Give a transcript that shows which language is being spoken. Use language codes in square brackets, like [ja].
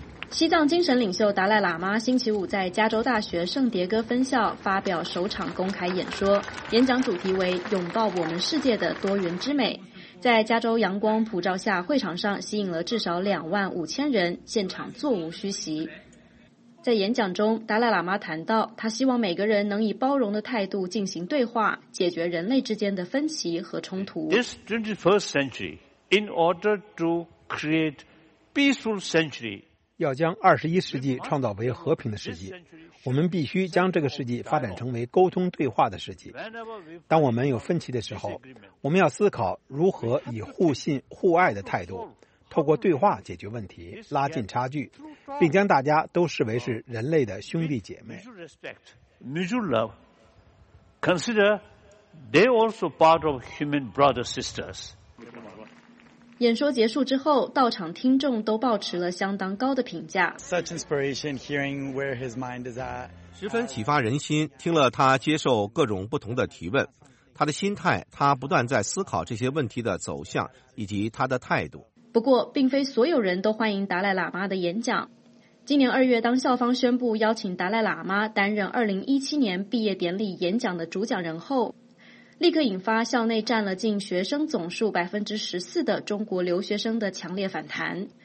[zh] 西藏精神领袖达赖喇嘛星期五在加州大学圣迭戈分校发表首场公开演说，演讲主题为拥抱我们世界的多元之美。在加州阳光普照下，会场上吸引了至少25000人，现场座无虚席。在演讲中，达赖喇嘛谈到他希望每个人能以包容的态度进行对话，解决人类之间的分歧和冲突。 [en] This 21st century, in order to create peaceful century, [zh] 要将21世纪创造为和平的世纪，我们必须将这个世纪发展成为沟通对话的世纪。当我们有分歧的时候，我们要思考如何以互信互爱的态度，透过对话解决问题，拉近差距，并将大家都视为是人类的兄弟姐妹。 [en] Mutual love, consider they also part of human brothers sisters. [zh] 演说结束之后，到场听众都抱持了相当高的评价。 [en] Such inspiration, hearing where his mind is at. [zh] 十分启发人心，听了他接受各种不同的提问，他的心态，他不断在思考这些问题的走向以及他的态度。不过，并非所有人都欢迎达赖喇嘛的演讲。今年2月，当校方宣布邀请达赖喇嘛担任2017年毕业典礼演讲的主讲人后，立刻引发校内占了近学生总数14%的中国留学生的强烈反弹。